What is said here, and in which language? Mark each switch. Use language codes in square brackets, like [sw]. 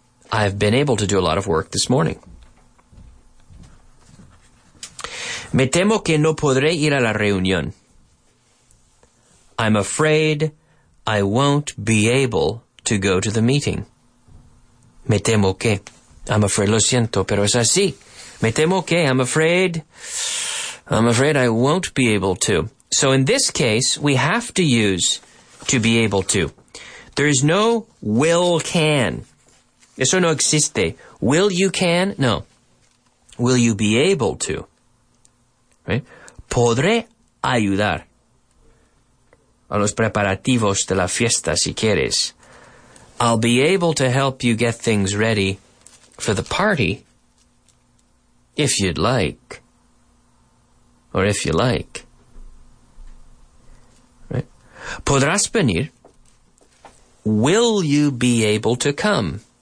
[en] I've been able to do a lot of work this morning. [es] Me temo que no podré ir a la reunión. [en] I'm afraid I won't be able to go to the meeting. [es] Me temo que. [en] I'm afraid. [es] Lo siento, pero es así. Me temo que. [en] I'm afraid I won't be able to. So in this case, we have to use to be able to. There is no will can. [es] Eso no existe. [en] Will you can? No. Will you be able to? Right? [es] Podré ayudar a los preparativos de la fiesta, si quieres. [en] I'll be able to help you get things ready for the party, if you'd like. Or if you like. Right? [es] Podrás venir. [en] Will you be able to come?